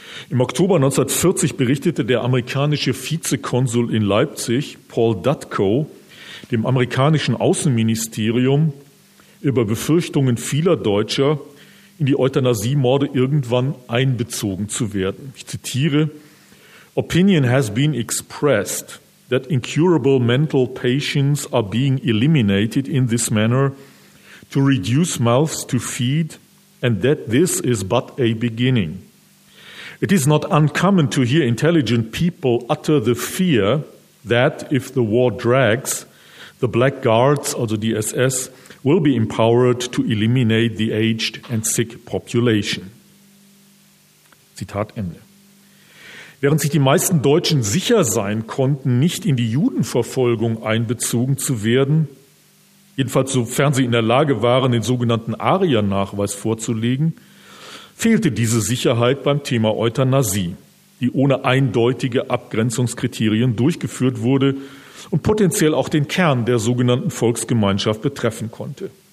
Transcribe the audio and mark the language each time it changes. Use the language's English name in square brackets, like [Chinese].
[German] Im Oktober 1940 berichtete der amerikanische Vizekonsul in Leipzig, Paul Dutko, dem amerikanischen Außenministerium über Befürchtungen vieler Deutscher, in die Euthanasiemorde irgendwann einbezogen zu werden. Ich zitiere: [English] "Opinion has been expressed that incurable mental patients are being eliminated in this manner to reduce mouths to feed, and that this is but a beginning. It is not uncommon to hear intelligent people utter the fear that if the war drags, the Black Guards, [German] also die SS, [English] will be empowered to eliminate the aged and sick population." [German] Zitat Ende. Während sich die meisten Deutschen sicher sein konnten, nicht in die Judenverfolgung einbezogen zu werden, jedenfalls sofern sie in der Lage waren, den sogenannten Arier-Nachweis vorzulegen, fehlte diese Sicherheit beim Thema Euthanasie, die ohne eindeutige Abgrenzungskriterien durchgeführt wurde und potenziell auch den Kern der sogenannten Volksgemeinschaft betreffen konnte.